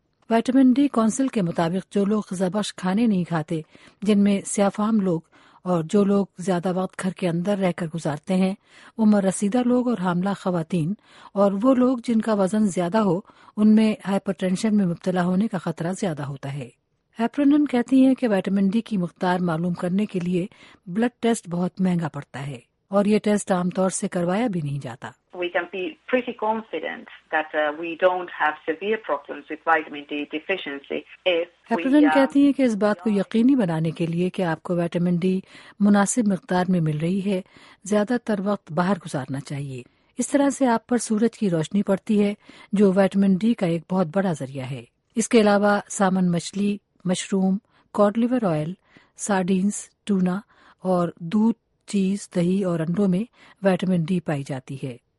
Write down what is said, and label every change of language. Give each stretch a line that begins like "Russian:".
Urdu: Vitamin D council کے مطابق جو لوگ غذا بخش کھانے نہیں کھاتے، جن میں سیاہ فام لوگ اور جو لوگ زیادہ وقت گھر کے اندر رہ کر گزارتے ہیں، عمر رسیدہ لوگ اور حاملہ خواتین، اور وہ لوگ جن کا وزن زیادہ ہو، ان میں ہائپر ٹینشن میں مبتلا ہونے کا خطرہ زیادہ ہوتا ہے. ہیپرنن کہتی ہیں کہ وائٹامن ڈی کی مقدار معلوم کرنے کے لیے بلڈ ٹیسٹ بہت مہنگا پڑتا ہے اور یہ ٹیسٹ عام طور سے کروایا بھی نہیں جاتا.
English: We can be pretty confident that we don't have severe problems with vitamin D deficiency.
Urdu: ہیپرنن کہتی ہیں کہ اس بات کو یقینی بنانے کے لیے کہ آپ کو وائٹامن ڈی مناسب مقدار میں مل رہی ہے، زیادہ تر وقت باہر گزارنا چاہیے. اس طرح سے آپ پر سورج کی روشنی پڑتی ہے جو وائٹامن ڈی کا ایک بہت بڑا ذریعہ ہے. اس کے علاوہ سامن مچھلی، مشروم، کوڈ لیور آئل، سارڈینز، ٹونا اور دودھ، چیز، دہی اور انڈوں میں وائٹامن ڈی پائی جاتی ہے.